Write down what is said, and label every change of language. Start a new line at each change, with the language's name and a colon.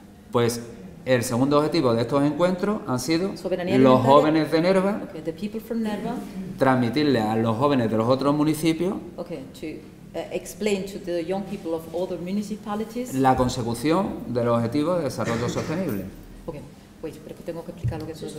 Spanish: Pues el segundo objetivo de estos encuentros han sido los jóvenes de Nerva,
English: the people from Nerva,
Spanish: transmitirle a los jóvenes de los otros municipios,
English: okay, to explain to the young people of other municipalities,
Spanish: la consecución de los objetivos de desarrollo sostenible.
English: Okay, wait,
Spanish: pero que tengo que explicar lo que es eso.